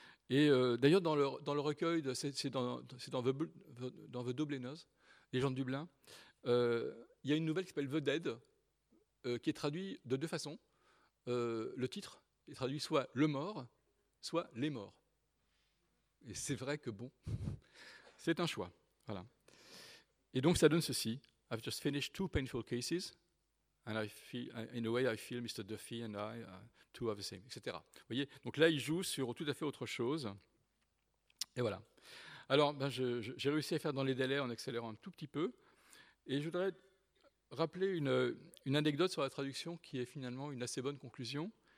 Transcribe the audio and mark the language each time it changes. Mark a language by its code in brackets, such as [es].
[fr] Et d'ailleurs, dans le recueil, c'est dans The Dubliners, les gens de Dublin, il y a une nouvelle qui s'appelle The Dead, qui est traduite de deux façons. Le titre est traduit soit Le Mort, soit Les Morts. Et c'est vrai que bon, c'est un choix. Voilà. Et donc ça donne ceci. [en] I've just finished two painful cases, and I feel, in a way I feel Mr. Duffy and I two are the same, etc. [fr] Vous voyez, donc là, il joue sur tout à fait autre chose. Et voilà. Alors, ben, j'ai réussi à faire dans les délais en accélérant un tout petit peu. Et je voudrais rappeler une anecdote sur la traduction qui est finalement une assez bonne conclusion.